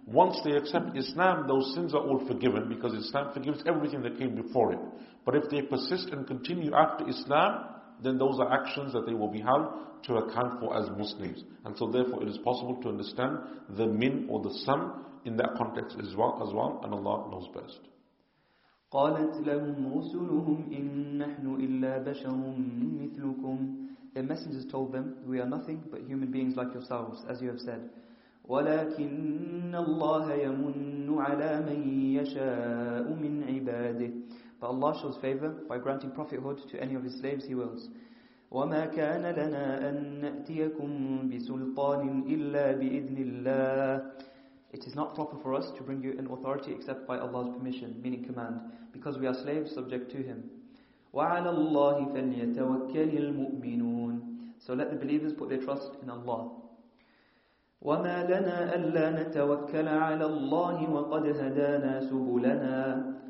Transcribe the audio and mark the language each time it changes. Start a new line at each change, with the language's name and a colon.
English: Once they accept Islam, those sins are all forgiven because Islam forgives everything that came before it. But if they persist and continue after Islam, then those are actions that they will be held to account for as Muslims. And so therefore it is possible to understand the min or the sum in that context as well, and Allah knows best.
Arabic: قالت لهم رسلهم إن نحن إلا بشر مثلكم.
English: The messengers told them, we are nothing but human beings like yourselves, as you have said.
Arabic: ولكن الله يمن على من يشاء من عباده.
English: But Allah shows favor by granting prophethood to any of his slaves he wills.
Arabic: وما كان لنا أن نأتيكم بسلطان إلا بإذن الله.
English: It is not proper for us to bring you an authority except by Allah's permission, meaning command, because we are slaves subject to Him.
Arabic: وَعَلَى اللَّهِ فَلْيَتَوَكَّلِ الْمُؤْمِنُونَ.
English: So let the believers put their trust in Allah.
Arabic: وَمَا لَنَا أَلَّا نَتَوَكَّلَ عَلَى اللَّهِ وَقَدْ هَدَانَا سُبُلَنَا.